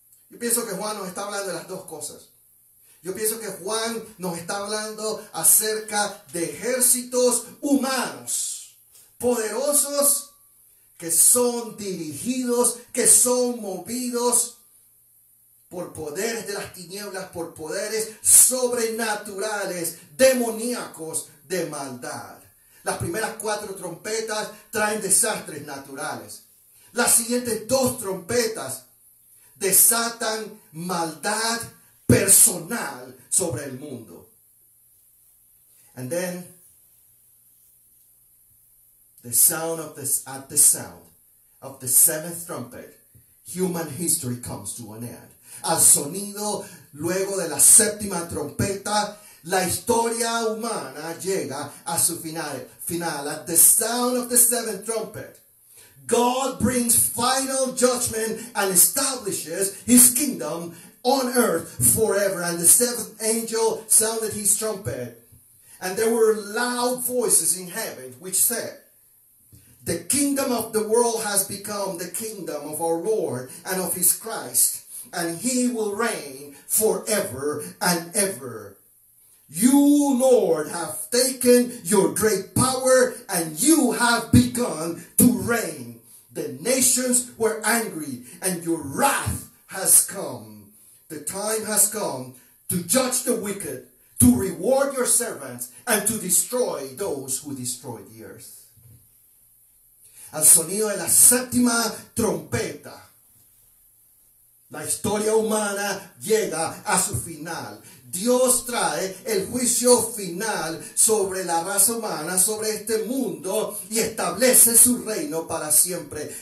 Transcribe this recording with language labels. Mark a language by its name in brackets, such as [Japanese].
[Spanish] Yo pienso que Juan nos está hablando de las dos cosas. Yo pienso que Juan nos está hablando acerca de ejércitos humanos poderosos que son dirigidos, que son movidos por poderes de las tinieblas, por poderes sobrenaturales, demoníacos de maldad. Las primeras cuatro trompetas traen desastres naturales. Las siguientes dos trompetas desatan maldad personal sobre el mundo. [English] And then, at the sound of the seventh trumpet, human history comes to an end. [Spanish] Al sonido luego de la séptima trompeta, la historia humana llega a su final. [English] At the sound of the seventh trumpet, God brings final judgment and establishes his kingdom on earth forever. And the seventh angel sounded his trumpet, and there were loud voices in heaven which said, "The kingdom of the world has become the kingdom of our Lord and of his Christ, and he will reign forever and ever. You, Lord, have taken your great power and you have begun to reign. The nations were angry and your wrath has come. The time has come to judge the wicked, to reward your servants, and to destroy those who destroy the earth. [Spanish] Al sonido de la séptima trompeta, la historia humana llega a su final. Dios trae el juicio final sobre la raza humana, sobre este mundo, y establece su reino para siempre.